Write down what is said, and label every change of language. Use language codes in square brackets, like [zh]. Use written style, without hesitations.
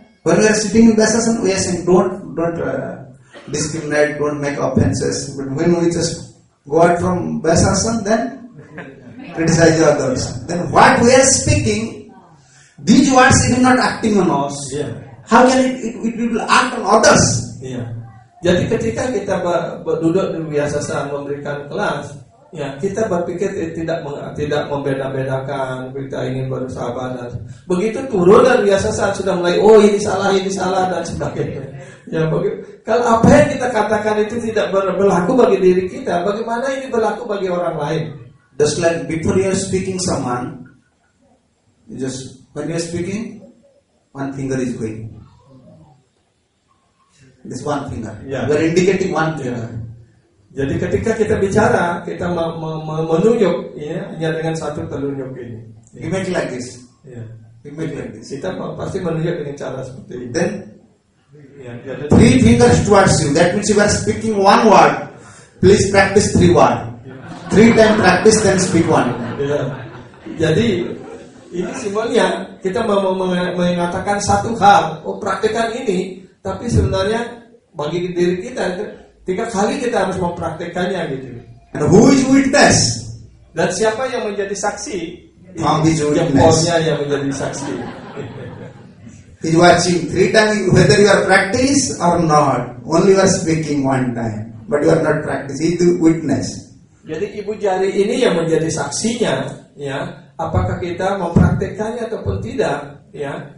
[en] When we are sitting in Vaisasana, we are saying don't discriminate, don't make offenses. But when we just go out from Vaisasana, then criticize others. Then what we are speaking, these words are not acting on us. Yeah. How can it will act on others? Yeah. [id] Jadi ketika kita berduduk di biasa memberikan kelas, ya kita berpikir tidak membeda-bedakan, kita ingin bersahabat dan begitu turun dan biasa sudah mulai ini salah dan sebagainya. Ya, kalau apa yang kita katakan itu tidak berlaku bagi diri kita, bagaimana ini berlaku bagi orang lain? [en] Just like before you are speaking someone, you just when you are speaking, one finger is going. This one finger. Yeah. You are indicating one finger. Yeah. [id] Jadi ketika kita bicara, kita menunjuk, ya, hanya dengan satu telunjuk ini. [en] Imagine like this. Yeah. Imagine like this. [id] Kita pasti menunjuk dengan cara seperti ini. [en] Then, three fingers towards you. That means you are speaking one word. Please practice three word. Three time practice then speak one. Yeah. [id] Jadi ini simbolnya kita mau mengatakan satu hal, oh praktekan ini, tapi sebenarnya bagi diri kita tiga kali kita harus mempraktekannya gitu. [en] And who is witness? [id] Dan siapa yang menjadi saksi? [en] From his witness. [id] Jempolnya yang menjadi saksi. [en] He is watching three time whether you are practice or not. Only you are speaking one time, but you are not practice. He is the witness. [id] Jadi ibu jari ini yang menjadi saksinya, ya. Apakah kita mempraktekannya ataupun tidak, ya?